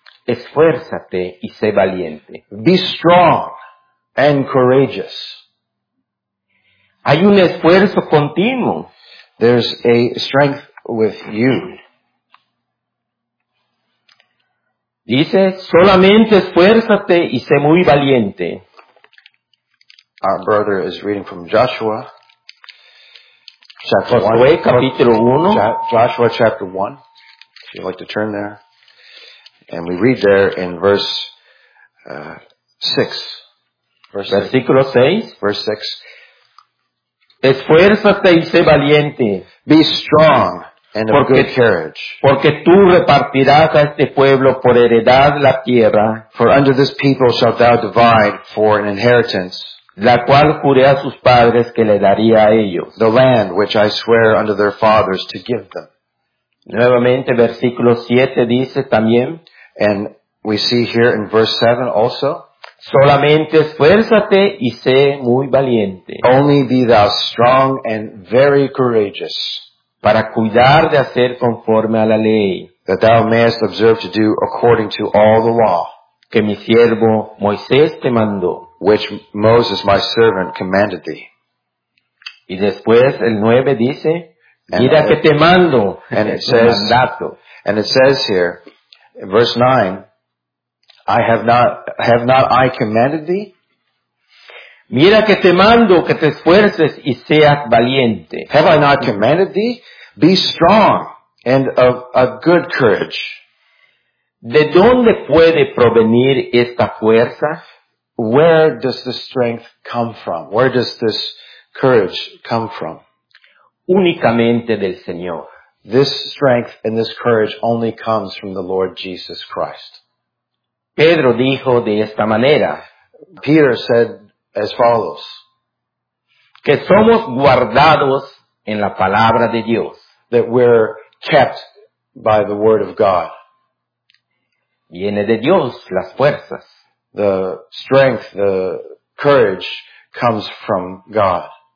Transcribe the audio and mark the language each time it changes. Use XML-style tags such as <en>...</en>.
<es>esfuérzate y sé valiente.</es> <en>Be strong and courageous.</en> <es>Hay un esfuerzo continuo.</es> <en>There's a strength with you.</en> <es>Dice, solamente esfuérzate y sé muy valiente.</es> <en>Our brother is reading from Joshua. Chapter 1.</en> <es>Capítulo 1.</es> <en>Joshua chapter 1. If you'd like to turn there. And we read there in verse 6.</en> <es>Versículo 6.</es> <en>Verse 6.</en> <es>Esfuérzate y sé valiente.</es> <en>Be strong and of good courage.</en> <es>Porque tú repartirás a este pueblo por heredad la tierra.</es> <en>For under this people shalt thou divide for an inheritance.</en> <es>La cual juré a sus padres que le daría a ellos.</es> <en>The land which I swear unto their fathers to give them.</en> <es>Nuevamente, versículo 7 dice también.</es> <en>And we see here in verse 7 also.</en> <es>Solamente esfuérzate y sé muy valiente.</es> <en>Only be thou strong and very courageous.</en> <es>Para cuidar de hacer conforme a la ley.</es> <en>That thou mayest observe to do according to all the law.</en> <es>Que mi siervo Moisés te mandó.</es> <en>Which Moses, my servant, commanded thee.</en> <es>Y después el 9 dice, mira que te mando.</es> <en>And it says, and it says here, in verse 9, have not I commanded thee?</en> <es>Mira que te mando, que te esfuerces y seas valiente.</es> <en>Have I not commanded thee? Be strong and of a good courage.</en> <es>¿De dónde puede provenir esta fuerza?</es> <en>Where does the strength come from? Where does this courage come from?</en> <es>Únicamente del Señor.</es> <en>This strength and this courage only comes from the Lord Jesus Christ.</en> <es>Pedro dijo de esta manera.</es> <en>Peter said as follows.</en> <es>Que somos guardados en la palabra de Dios.</es> <en>That we're kept by the word of God.</en> <es>Viene de Dios las fuerzas.</es> <en>The strength, the courage comes from God.</en>